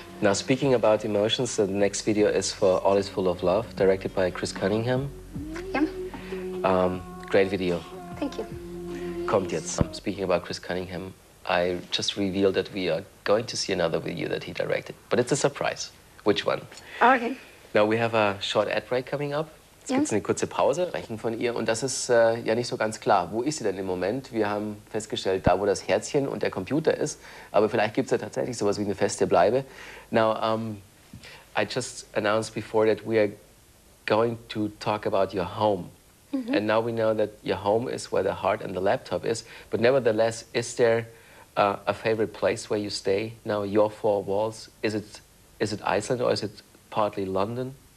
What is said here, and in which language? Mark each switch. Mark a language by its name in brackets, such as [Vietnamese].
[English] Now, speaking about emotions, the next video is for All Is Full of Love, directed by Chris Cunningham. Yeah. Great video. Thank you. [German] Kommt jetzt. [English] Speaking about Chris Cunningham, I just revealed that we are going to see another video that he directed, but it's a surprise. Which one? Okay. Now, we have a short ad break coming up. [German] Jetzt gibt es eine kurze Pause, Rechen von ihr. Und das ist ja nicht so ganz klar. Wo ist sie denn im Moment? Wir haben festgestellt, da, wo das Herzchen und der Computer ist. Aber vielleicht gibt es ja tatsächlich sowas wie eine feste Bleibe. [English] Now, I just announced before that we are going to talk about your home. Mm-hmm. And now we know that your home is where the heart and the laptop is. But nevertheless, is there a favorite place where you stay? Now, your four walls, is it Iceland or is it partly London?